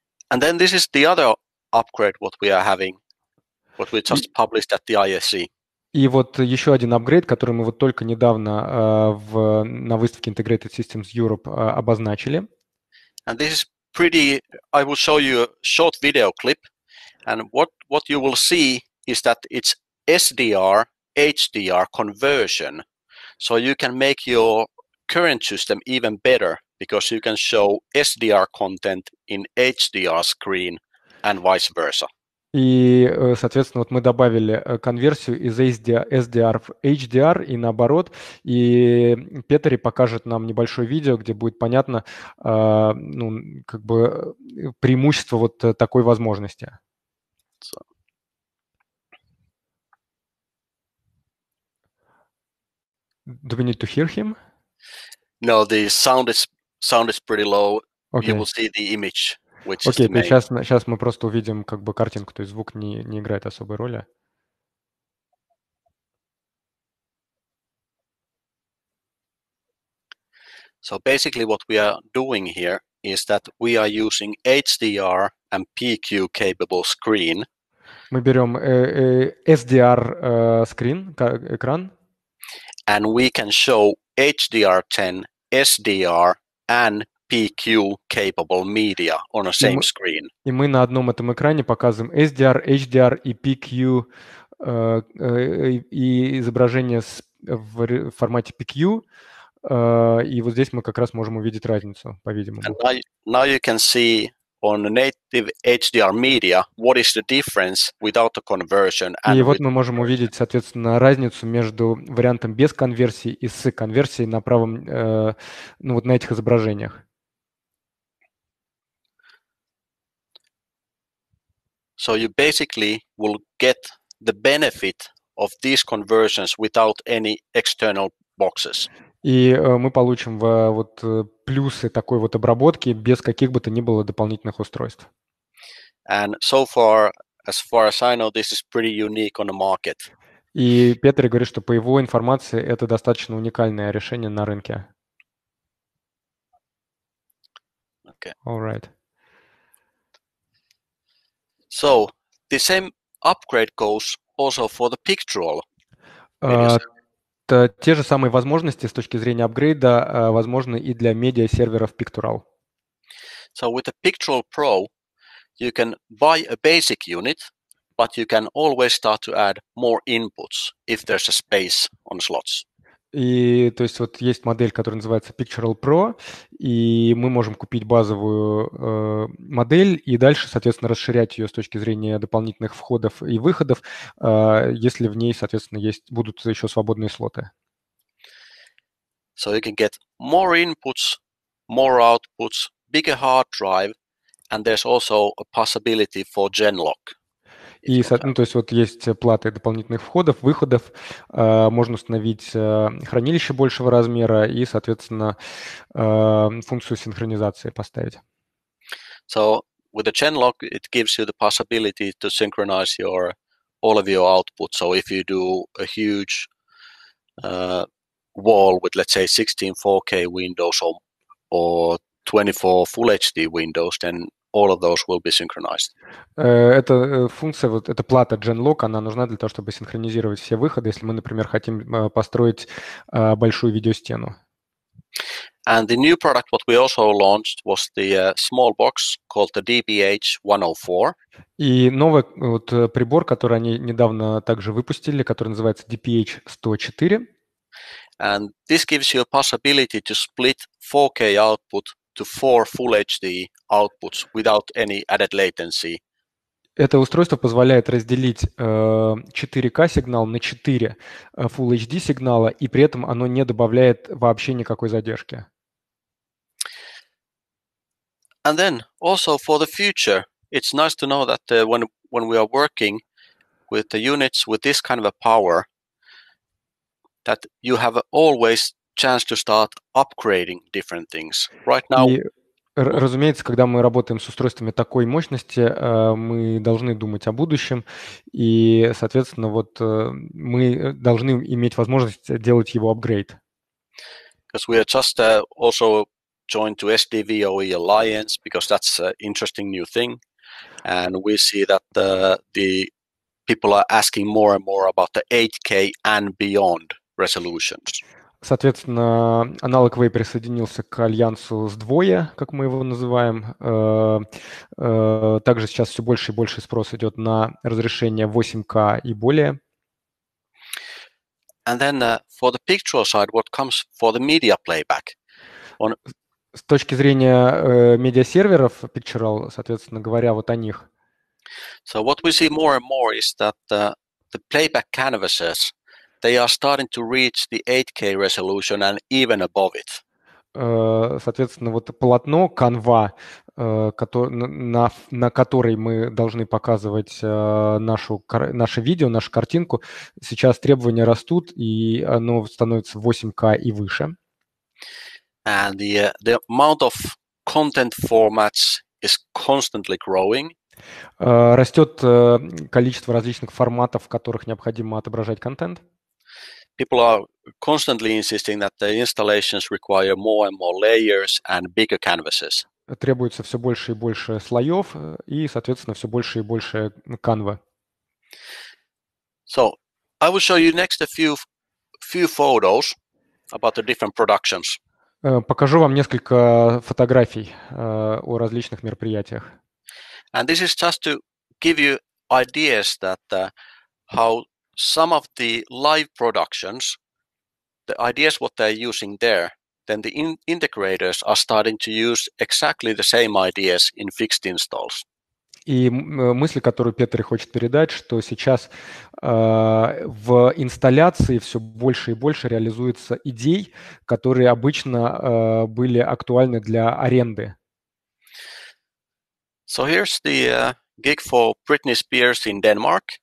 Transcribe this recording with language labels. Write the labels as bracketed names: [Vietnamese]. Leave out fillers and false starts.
[English] And then this is the other upgrade what we are having, what we just published at the ISE. [Russian] И вот еще один апгрейд, который мы вот только недавно на выставке Integrated Systems Europe обозначили. [English] And this is pretty, I will show you a short video clip. And what you will see is that it's SDR-HDR conversion. So you can make your current system even better because you can show SDR content in HDR screen and vice versa. [Russian] И, соответственно, вот мы добавили конверсию из SDR в HDR и наоборот. И Петери покажет нам небольшое видео, где будет понятно преимущество вот такой возможности. [English] Do we need to hear him? No, the sound is pretty low. Okay. You will see the image. [Russian] Окей, сейчас мы просто увидим как бы картинку, то есть звук не играет особой роли. [English] So basically what we are doing here is that we are using HDR and PQ capable screen. [Russian] Мы берем SDR screen, экран. [English] And we can show HDR 10, SDR and PQ capable media on the same screen. [Russian] И мы на одном этом экране показываем SDR, HDR и PQ и изображение в формате PQ. И вот здесь мы как раз можем увидеть разницу, по-видимому. [English] And now you can see on native HDR media what is the difference without the conversion. [Russian] И вот мы можем увидеть, соответственно, разницу между вариантом без конверсии и с конверсией на правом, на этих изображениях. [English] So you basically will get the benefit of these conversions without any external boxes. [Russian] И мы получим вот плюсы такой вот обработки без каких бы то ни было дополнительных устройств. [English] And so far, as far as I know, this is pretty unique on the market. [Russian] И Петер говорит, что по его информации это достаточно уникальное решение на рынке. [English] Okay. All right. So the same upgrade goes also for the Picturall. [Russian] те же самые возможности с точки зрения апгрейда возможны и для медиа-серверов Picturall. [English] So with the Picturall Pro, you can buy a basic unit, but you can always start to add more inputs if there's a space on slots. [Russian] И то есть вот есть модель, которая называется Picturall Pro, и мы можем купить базовую модель и дальше, соответственно, расширять ее с точки зрения дополнительных входов и выходов, если в ней, соответственно, есть будут еще свободные слоты. [English] So you can get more inputs, more outputs, bigger hard drive, and there's also a possibility for Genlock. [Russian] И, ну, то есть вот есть платы дополнительных входов, выходов, можно установить хранилище большего размера и, соответственно, функцию синхронизации поставить. [English] So with the Genlock, it gives you the possibility to synchronize your all of your output. So if you do a huge wall with, let's say, 16 4K windows or 24 full HD windows, then all of those will be synchronized. [Russian] Эта функция, вот эта плата Genlock, она нужна для того, чтобы синхронизировать все выходы, если мы, например, хотим построить большую видеостену. [English] And the new product, what we also launched, was the small box called the DPH-104. [Russian] И новый вот прибор, который они недавно также выпустили, который называется DPH-104. [English] And this gives you a possibility to split 4K output to four full HD outputs without any added latency. [Russian] Это устройство позволяет разделить 4K сигнал на 4 full HD сигнала, и при этом оно не добавляет вообще никакой задержки. [English] And then also for the future, it's nice to know that when we are working with the units with this kind of a power, that you have always chance to start upgrading different things. Right now, [Russian] разумеется, когда мы работаем с устройствами такой мощности, мы должны думать о будущем, и, соответственно, вот мы должны иметь возможность делать его апгрейд. [English] Because we are just also joined to SDVOE Alliance, because that's an interesting new thing, and we see that the people are asking more and more about the 8K and beyond resolutions. [Russian] Соответственно, Analog Way присоединился к альянсу сдвое, как мы его называем. Также сейчас все больше и больше спрос идет на разрешение 8K и более. [English] And then for the Picturall side, what comes for the media playback? [Russian] С точки зрения медиа-серверов Picturall, соответственно говоря, вот о них. [English] So what we see more and more is that the playback canvases, they are starting to reach the 8K resolution and even above it. [Russian] Соответственно, вот полотно, канва, на которой мы должны показывать наше видео, нашу картинку, сейчас требования растут, и оно становится 8K и выше. [English] And the amount of content formats is constantly growing. [Russian] Растет количество различных форматов, в которых необходимо отображать контент. [English] People are constantly insisting that the installations require more and more layers and bigger canvases. [Russian] Требуется все больше и больше слоев и, соответственно, все больше и больше канвы. [English] So, I will show you next a few photos about the different productions. [Russian] Покажу вам несколько фотографий о различных мероприятиях. [English] And this is just to give you ideas that how some of the live productions, the ideas what they're using there, then the integrators are starting to use exactly the same ideas in fixed installs. [Russian] И мысль, которую Петр хочет передать, что сейчас в инсталляции все больше и больше реализуется идей, которые обычно были актуальны для аренды. [English] So here's the gig for Britney Spears in Denmark.